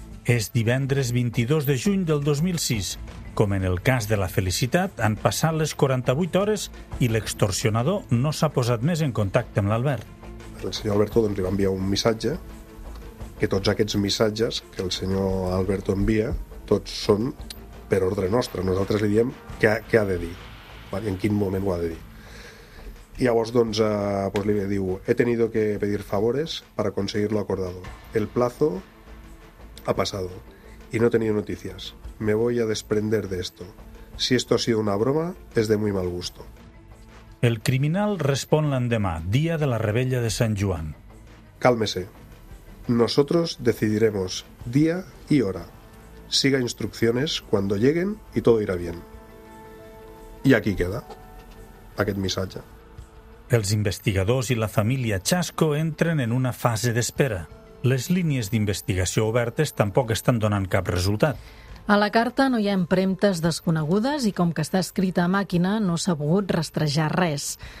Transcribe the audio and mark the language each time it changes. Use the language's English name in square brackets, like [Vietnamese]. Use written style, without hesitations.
[Catalan] És divendres 22 de juny del 2006. Com en el cas de la Felicitat, han passat les 48 hores i l'extorsionador no s'ha posat més en contacte amb l'Albert. El senyor Alberto doncs, li va enviar un missatge que tots aquests missatges que el senyor Alberto envia tots són per ordre nostre. Nosaltres li diem què ha de dir, en quin moment ho ha de dir. [Spanish] Y a vos doncs, pues [Catalan] li diu, [Spanish] he tenido que pedir favores para conseguir lo acordado. El plazo ha pasado y no he tenido noticias. Me voy a desprender de esto. Si esto ha sido una broma, es de muy mal gusto. [Catalan] El criminal respon l'endemà, dia de la revetlla de Sant Joan. [Spanish] Cálmese. Nosotros decidiremos día y hora. Siga instrucciones cuando lleguen y todo irá bien. Y aquí queda [Catalan] aquest missatge. Els investigadors i la família Xasco entren en una fase d'espera. Les línies d'investigació obertes tampoc estan donant cap resultat. A la carta no hi ha empremtes desconegudes i com que està escrita a màquina no s'ha pogut rastrejar res.